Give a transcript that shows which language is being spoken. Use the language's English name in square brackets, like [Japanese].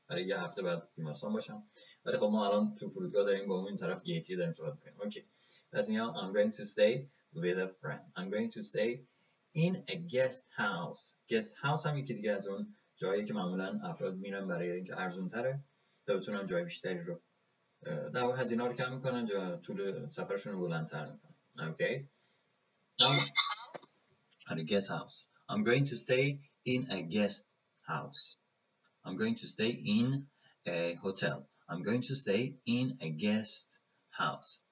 [Persian] برای یه هفته باید بیمارستان باشم. ولی خب ما الان تو فرودگاه داریم با اون طرف گیتی داریم صحبت کنیم. Okay. پس میگم [English] I'm going to stay with a friend. I'm going to stay in a guest house. [Persian] Guest house هم یکی دیگه از اون جایی که معمولا افراد میرن برای اینکه ارزون تره تا بتونن جای بیشتری رو در واقع هزینه رو کم میکنن، جا طول سفرشون رو بلندتر میکنن. اوکی okay. [English] A guest house. I'm going to stay in a guest house. I'm going to stay in a hotel. I'm going to stay in a guest house.